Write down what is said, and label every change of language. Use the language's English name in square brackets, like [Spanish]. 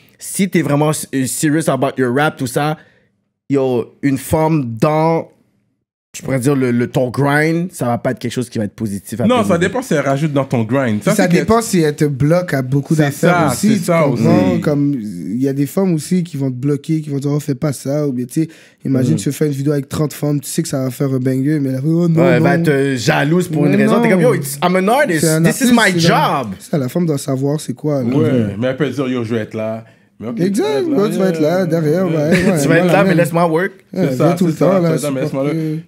[French] Si t'es vraiment [English] serious about your rap, [French] tout ça, yo, une femme dans, je pourrais dire, le ton grind, ça va pas être quelque chose qui va être positif. Non, ça dépend si elle rajoute dans ton grind. Ça dépend si elle te bloque à beaucoup d'affaires aussi. C'est ça aussi. Comme, il y a des femmes aussi qui vont te bloquer, qui vont dire, oh, fais pas ça. Ou bien, tu sais, imagine, tu veux faire une vidéo avec 30 femmes, tu sais que ça va faire un banger, mais là, oh non. Elle va être jalouse pour une raison. T'es comme, yo, [English] I'm an artist, this is my job. [French] Ça, la femme doit savoir c'est quoi. Ouais, mais elle peut dire, yo, je vais être là. Okay, exact, tu vas être là, derrière. Ouais. Ouais, tu vas être là, mais laisse-moi work. Ouais, c'est ça, tout c'est le temps. Ça, là, ça, mais là.